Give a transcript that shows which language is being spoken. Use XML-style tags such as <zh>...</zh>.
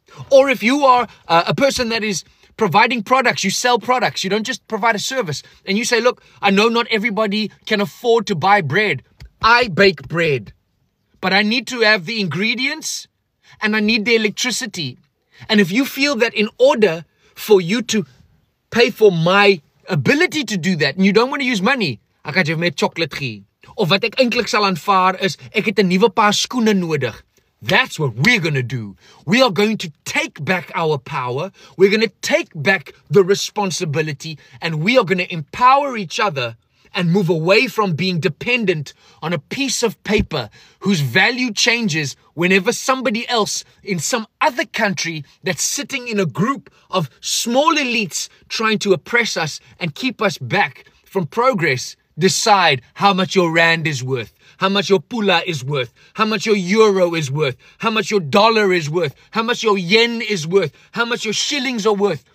<en>Or if you are a person that is providing products, you sell products, you don't just provide a service, and you say, look, I know not everybody can afford to buy bread. I bake bread. But I need to have the ingredients and I need the electricity. And if you feel that in order for you to pay for my ability to do that and you don't want to use money,</en> <af>ek het jou met chocolate gee. Of wat ek eintlik sal aanvaar is, ek het 'n nuwe paar skoene nodig.</af> <en>That's what we're going to do. We are going to take back our power. We're going to take back the responsibility and we are going to empower each other and move away from being dependent on a piece of paper whose value changes whenever somebody else in some other country that's sitting in a group of small elites trying to oppress us and keep us back from progress decide how much your rand is worth, how much your pula is worth, how much your euro is worth, how much your dollar is worth, how much your yen is worth, how much your shillings are worth.</en>